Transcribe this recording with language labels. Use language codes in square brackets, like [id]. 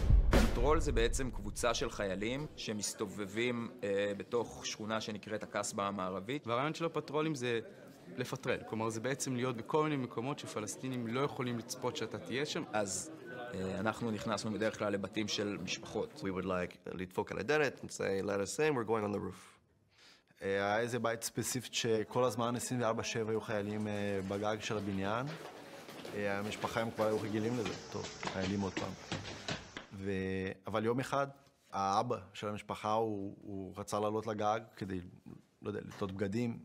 [he] פטרול זה בעצם קבוצה של חיילים שמסתובבים בתוך שכונה שנקראת הקסבה המערבית. והרעיון של הפטרולים זה לפטרל, כלומר זה בעצם להיות בכל מיני מקומות שפלסטינים לא יכולים לצפות שאתה תהיה שם. אז אנחנו נכנסנו בדרך כלל לבתים של משפחות. [en] We would like [he] לדפוק על הדלת [en] and say, let us in, we're going on the roof. [he] היה איזה בית ספציפית שכל הזמן 24-7 היו חיילים בגג של הבניין. המשפחה הם כבר היו רגילים לזה, טוב, חיילים עוד פעם. אבל יום אחד, האבא של המשפחה, הוא רצה לעלות לגג כדי, לא יודע, לטעות בגדים.